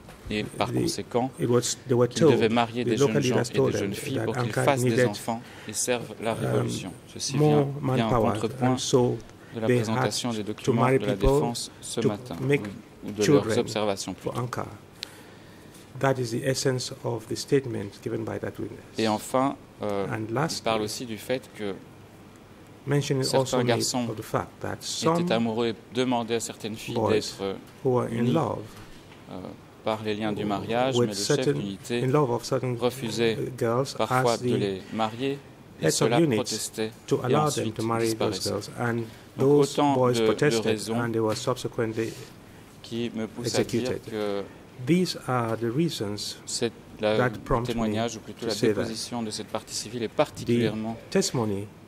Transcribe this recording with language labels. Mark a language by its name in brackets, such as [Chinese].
[French] Et par conséquent, ils devaient marier des jeunes gens et des jeunes filles pour qu'ils fassent des enfants et servent la révolution. Ceci vient d'un contrepoint [English] so [French] de la présentation des documents de la défense ce matin, ou de leurs observations plutôt. [English] That is the essence of the statement given by that witness. [French] Et enfin, il parle aussi du fait que certains garçons étaient amoureux et demandaient à certaines filles d'être unies par les liens du mariage, mais le chef d'unité refusait parfois de les marier. Et cela protestait [English] to allow them to marry those girls, and those boys protested, and they were subsequently executed. These are the reasons that prompt me to say that. [French] De cette partie civile est particulièrement [English] the testimony